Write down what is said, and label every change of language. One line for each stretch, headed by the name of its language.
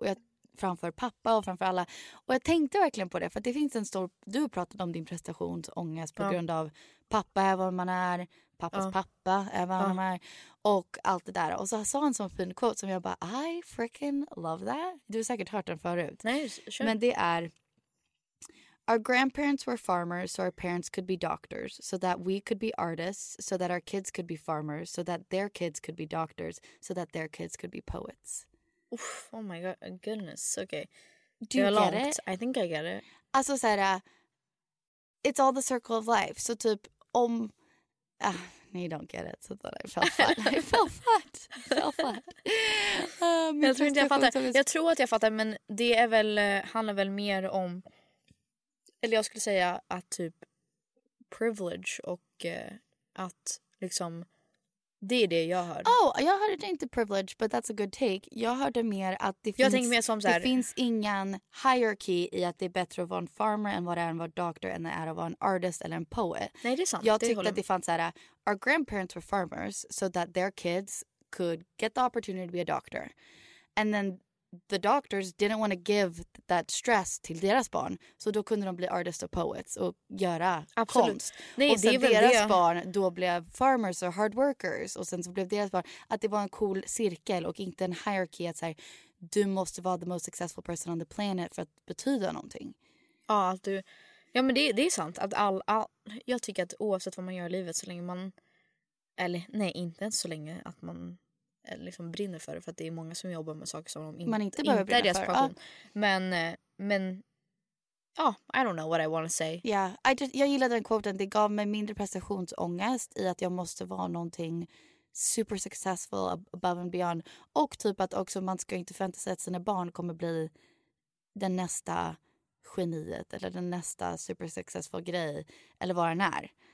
Swedish: Och jag, framför pappa och framför alla. Och jag tänkte verkligen på det, för att det finns en stor... Du har pratat om din prestationsångest på grund av pappa är vad man är, pappas pappa är vad man är, och allt det där. Och så sa han en sån fin quote som jag bara,
English: I freaking love that.
Swedish: Du har säkert hört den förut. Nej,
English: sure.
Swedish: Men det är...
English: Our grandparents were farmers so our parents could be doctors, so that we could be artists, so that our kids could be farmers, so that their kids could be doctors, so that their kids could be poets. Oof, oh my god, goodness, okay. Do you get it? I think I get it.
Swedish: Alltså såhär,
English: it's all the circle of life.
Swedish: Så typ, om... nej,
English: don't get it. Så that I fell flat.
Swedish: Jag tror inte jag fattar. Jag tror att jag fattar, men det är väl, handlar väl mer om... Eller jag skulle säga att typ privilege och att liksom, det är det jag hör. Oh, jag hörde inte privilege,
English: but that's a good take.
Swedish: Jag hörde mer att det, jag finns, mer som så här, det finns ingen hierarchy i att det är bättre att vara en farmer än vad det är att vara en doctor än det är att vara en artist eller en poet. Nej, det är sant. Jag det tyckte att det fanns så här,
English: our grandparents were farmers so that their kids could get the opportunity to be a doctor. And then... The doctors didn't want to give that stress
Swedish: till deras barn. Så då kunde de bli artists och poets och göra konst. Nej, och sen det är deras det. Barn då blev farmers och
English: hard workers.
Swedish: Och sen så blev deras barn att det var en cool cirkel och inte en hierarchy. Att säga, du måste vara
English: the most successful person on the planet
Swedish: för att betyda någonting. Ja, att du, ja men det är sant. Att all, jag tycker att oavsett vad man gör i livet så länge man... Eller nej, inte så länge att man... liksom brinner för det, för att det är många som jobbar med saker som de inte behöver inte brinna för. Men ja,
English: I don't know what I want to say. Yeah, I just,
Swedish: jag gillade den quoten. Det gav mig mindre prestationsångest i att jag måste vara någonting
English: super successful above and beyond.
Swedish: Och typ att också man ska inte förvänta sig att sina barn kommer bli den nästa geniet eller den nästa super successful grej eller vad den är.